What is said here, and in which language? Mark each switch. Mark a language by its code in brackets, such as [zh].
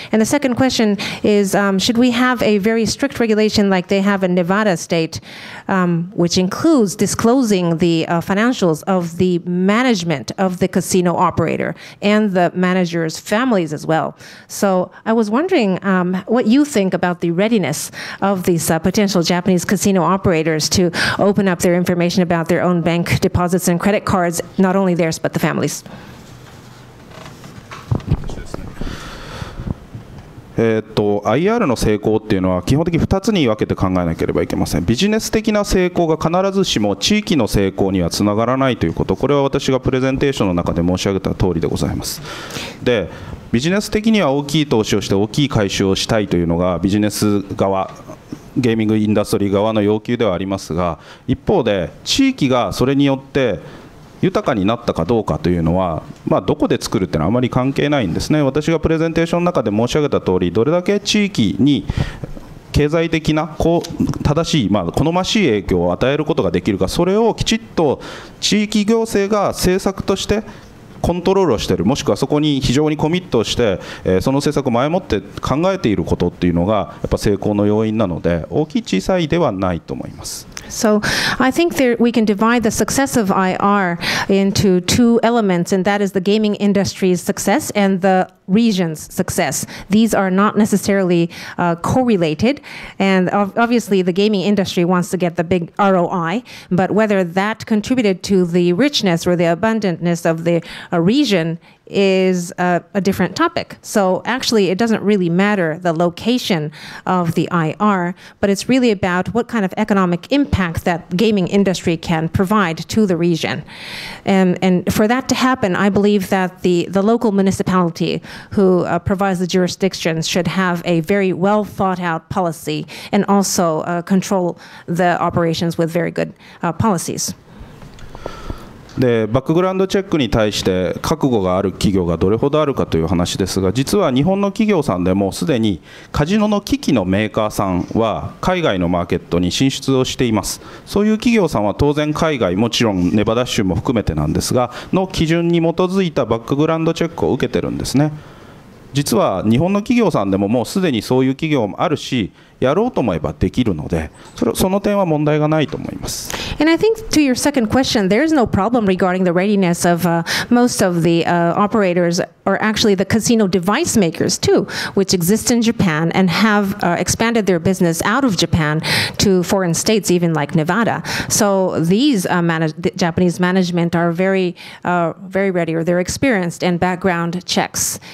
[en] And the second question is, should we have a very strict regulation like they have in Nevada state, which includes disclosing the financials of the management of the casino operator and the manager's families as well? So I was wondering what you think about the readiness of these potential Japanese casino operators to open up their information about their own bank deposits and credit cards, not only theirs, but the families. [ja] IR の成功っていうのは基本的に2つに分けて考えなければいけません。ビジネス的な成功が必ずしも地域の成功にはつながらないということ、これは私がプレゼンテーションの中で申し上げた通りでございます。でビジネス的には大きい投資をして大きい回収をしたいというのがビジネス側、ゲーミングインダストリー側の要求ではありますが、一方で地域がそれによって豊かになったかどうかというのは、まあ、どこで作るというのはあまり関係ないんですね。私がプレゼンテーションの中で申し上げた通り、どれだけ地域に経済的な正しい、まあ、好ましい影響を与えることができるか、それをきちっと地域行政が政策としてコントロールをしている、もしくはそこに非常にコミットしてその政策を前もって考えていることというのがやっぱ成功の要因なので、大きい小さいではないと思います。 [en] So I think there we can divide the success of IR into two elements, and that is the gaming industry's success and the region's success. These are not necessarily correlated, and obviously the gaming industry wants to get the big ROI, but whether that contributed to the richness or the abundantness of the region is a different topic. So actually it doesn't really matter the location of the IR, but it's really about what kind of economic impact that gaming industry can provide to the region. And for that to happen, I believe that the local municipality who provides the jurisdiction should have a very well thought out policy and also control the operations with very good policies. [ja] でバックグラウンドチェックに対して覚悟がある企業がどれほどあるかという話ですが、実は日本の企業さんでもすでにカジノの機器のメーカーさんは海外のマーケットに進出をしています。そういう企業さんは当然海外、もちろんネバダ州も含めてなんですが、の基準に基づいたバックグラウンドチェックを受けてるんですね。実は日本の企業さんでももうすでにそういう企業もあるし、やろうと思えばできるので、その点は問題がないと思います。 [en] And I think to your second question, there is no problem regarding the readiness of most of the operators or actually the casino device makers too, which exist in Japan and have expanded their business out of Japan to foreign states, even like Nevada. So these Japanese management are very, very ready, or they're experienced in background checks.